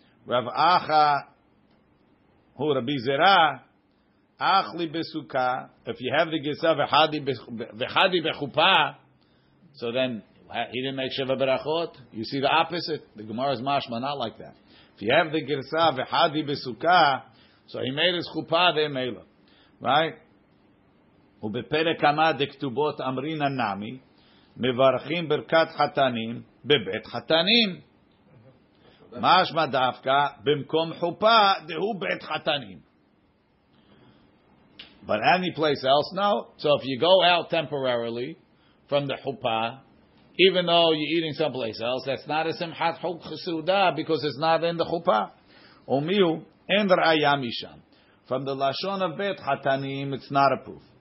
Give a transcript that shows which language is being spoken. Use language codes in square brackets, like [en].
[en] Rav Acha, who Rabbi Zera, [he] achli besuka. [en] If you have the [he] gesa v'chadi bechupa, [en] so then he didn't make sheva berachot. You see the opposite. The Gemara's mashma not like that. If you have the [he] gesa v'chadi besuka, [en] so he made his chupa there meila. Right? [he] ובפרק כמה דכתובות אמרין הנמי, מברכים ברכת חתנים בבית חתנים. משמע דווקא, במקום חופה, דהו בית חתנים. [en] But any place else, no. So if you go out temporarily from the chuppah, even though you're eating someplace else, that's not a simchat chuk chesuda because it's not in the chuppah. [he] Omiu en raya misham. [en] From the lashon of bet chatanim, it's not a proof.